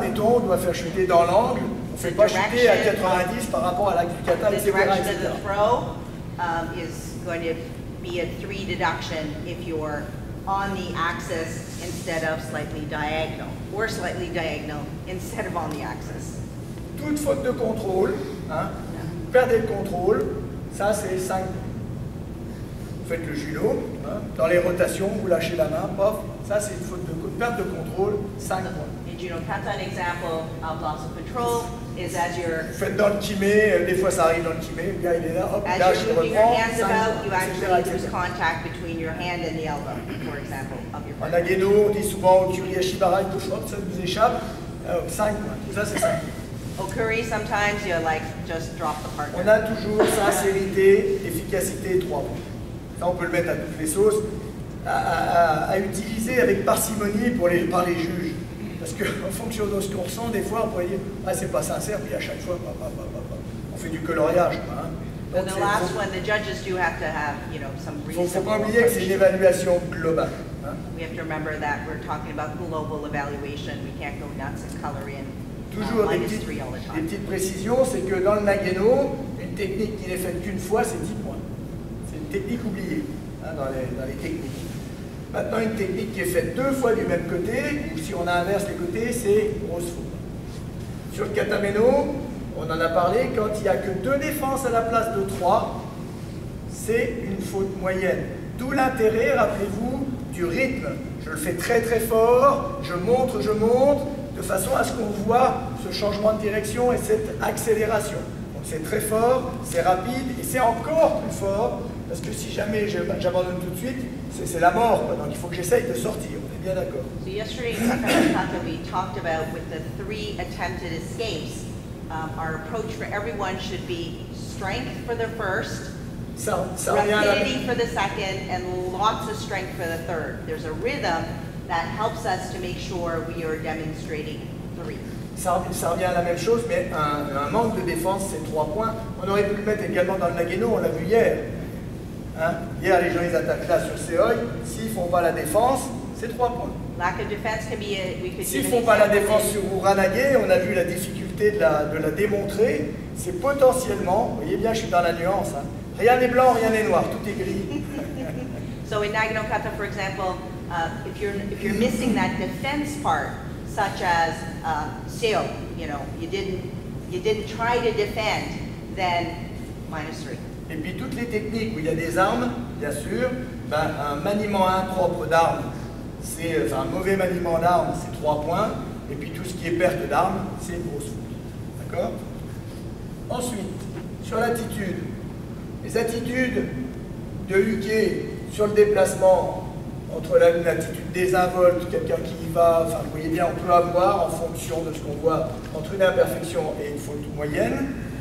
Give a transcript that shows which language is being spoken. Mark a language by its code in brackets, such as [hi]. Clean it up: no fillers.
[fr] mettons, on doit faire chuter dans l'angle, on ne fait pas chuter à 90 par rapport à l'axe du kata, etc., etc. [en] The direction of the throw is going to be a 3 deduction if you're on the axis instead of slightly diagonal, or slightly diagonal instead of on the axis. [fr] Toute faute de contrôle, [en] yeah. [fr] Perdre le contrôle, ça c'est 5 points. Vous faites le judo, dans les rotations, vous lâchez la main, pof, ça c'est une faute de perte de contrôle, 5 points. [en] In Junokata, an example of loss of control is as you're... [fr] Vous faites dans le kimé, des fois ça arrive dans le kimé, le gars il est là, hop, [en] as [fr] là je reprends. [en] As you're moving your hands about, you actually lose contact between your hand and the elbow, for example, of your partner. [fr] En Agedo, on dit souvent, Okuri, Ashibara, il touche, hop, ça nous échappe. 5, tout ça c'est 5. [en] Okuri, sometimes you're like, just drop the partner. [fr] On a toujours sincérité, efficacité, 3 points. Ça on peut le mettre à toutes les sauces. À utiliser avec parcimonie pour les, par les juges. Parce qu'en fonction de ce qu'on ressent, des fois, on pourrait dire « Ah, c'est pas sincère », puis à chaque fois, on fait du coloriage. Hein. [en] Donc, the last one, the judges do have to have, you know, some reasonable... [fr] Il ne faut pas oublier que c'est une évaluation globale. Hein. [en] We have to remember that we're talking about global evaluation. We can't go nuts and color in. [fr] Toujours des petites précisions, c'est que dans le Nageno, une technique qui n'est faite qu'une fois, c'est 10 points. C'est une technique oubliée. Dans les techniques. Maintenant, une technique qui est faite deux fois du même côté, ou si on inverse les côtés, c'est grosse faute. Sur le katameno, on en a parlé, quand il n'y a que deux défenses à la place de trois, c'est une faute moyenne. D'où l'intérêt, rappelez-vous, du rythme. Je le fais très très fort, je monte, de façon à ce qu'on voit ce changement de direction et cette accélération. Donc c'est très fort, c'est rapide, et c'est encore plus fort. Parce que si jamais j'abandonne tout de suite, c'est la mort. Donc il faut que j'essaye de sortir. On est bien d'accord. [en] So yesterday, Professor Kato, we talked about with the three attempted escapes. Our approach for everyone should be strength for the first, rapidity for the second, and lots of strength for the third. There's a rhythm that helps us to make sure we are demonstrating three. [fr] Ça revient à la même chose, mais un manque de défense, c'est 3 points. On aurait pu le mettre également dans le Nageno, on l'a vu hier. Hein? Hier, les gens, ils attaquent là sur Seoi. S'ils font pas la défense, c'est 3 points. [en] Lack of defense can be a, we could [fr] s'ils font pas la défense sur Uranage, on a vu la difficulté de la démontrer, c'est potentiellement, vous voyez bien, je suis dans la nuance, hein? Rien n'est blanc, rien n'est noir, tout est gris. [en] So in Nagano Kata, for example, if you're missing that defense part, such as Seoi, you know, you didn't try to defend, then minus 3. [fr] Et puis toutes les techniques où il y a des armes, bien sûr, ben, un maniement impropre d'armes, c'est enfin, un mauvais maniement d'armes, c'est 3 points. Et puis tout ce qui est perte d'armes, c'est une grosse faute. D'accord? Ensuite, sur l'attitude. Les attitudes de Uke sur le déplacement, entre l'attitude désinvolte, quelqu'un qui y va, enfin vous voyez bien, on peut avoir en fonction de ce qu'on voit entre une imperfection et une faute moyenne.